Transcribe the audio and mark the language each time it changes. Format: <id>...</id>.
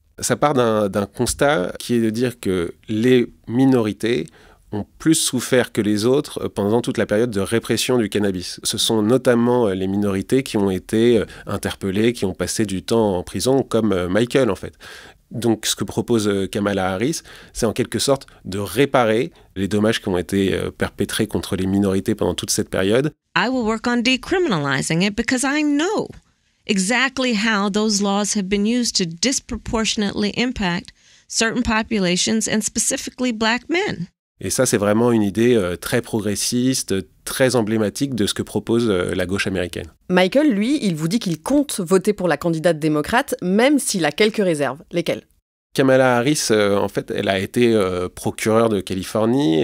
<fr>Ça part d'un constat qui est de dire que les minorités ont plus souffert que les autres pendant toute la période de répression du cannabis. Ce sont notamment les minorités qui ont été interpellées, qui ont passé du temps en prison, comme Michael en fait. Donc ce que propose Kamala Harris, c'est en quelque sorte de réparer les dommages qui ont été perpétrés contre les minorités pendant toute cette période.</fr> <en>I will work on decriminalizing it because I know exactly how those laws have been used to disproportionately impact certain populations and specifically black men.</en> <fr>Et ça c'est vraiment une idée très progressiste, très emblématique de ce que propose la gauche américaine. Michael, lui, il vous dit qu'il compte voter pour la candidate démocrate, même s'il a quelques réserves. Lesquelles ? Kamala Harris, en fait, elle a été procureure de Californie.</fr>